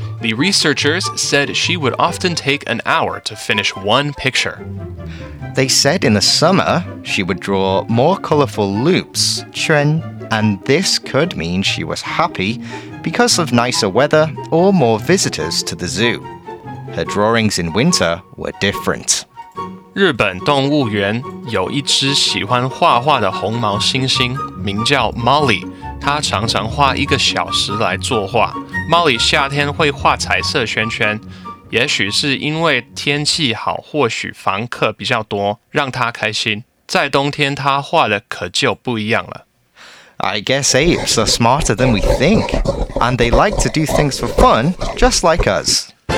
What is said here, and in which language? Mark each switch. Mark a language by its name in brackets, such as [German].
[English] The researchers said she would often take an hour to finish one picture. They said in the summer, she would draw more colorful loops, 圈, and this could mean she was happy because of nicer weather or more visitors to the zoo. Her drawings in winter were different. [Chinese] 日本动物园有一只喜欢画画的红毛猩猩，名叫 Molly。她常常花一个小时来作画。猫里夏天会画彩色圈圈，也许是因为天气好，或许房客比较多，让它开心。在冬天，它画的可就不一样了。 [English] I guess apes are smarter than we think, and they like to do things for fun, just like us.